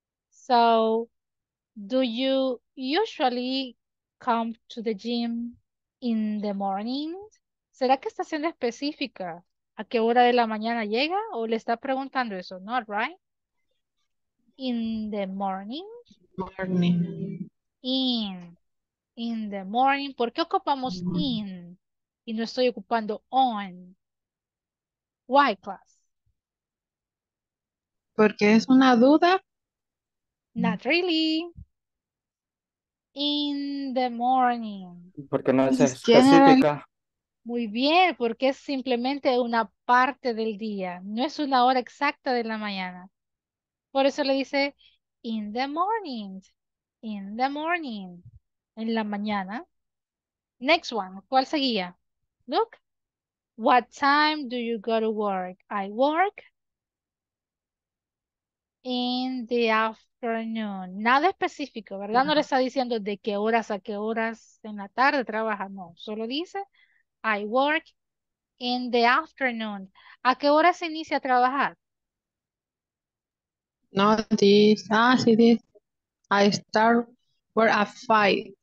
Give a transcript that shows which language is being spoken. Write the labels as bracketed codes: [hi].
[en] So, do you usually come to the gym in the morning? [es] ¿Será que está siendo específica a qué hora de la mañana llega? ¿O le está preguntando eso? [en] Not right. In the morning. Morning. In. In the morning. [es] ¿Por qué ocupamos in y no estoy ocupando on? [en] Why, class? [es] ¿Porque es una duda? [en] Not really. In the morning. [es] Porque no es específica. Muy bien, porque es simplemente una parte del día. No es una hora exacta de la mañana. Por eso le dice [en] in the morning. In the morning. [es] En la mañana. [en] Next one. [es] ¿Cuál seguía? [en] Look. What time do you go to work? I work in the afternoon. [es] afternoon. Nada específico, ¿verdad? No le está diciendo de qué horas a qué horas en la tarde trabaja, no. Solo dice, [en] I work in the afternoon. [es] ¿A qué hora se inicia a trabajar? [en] No, this. Ah, sí, this. I start work at five.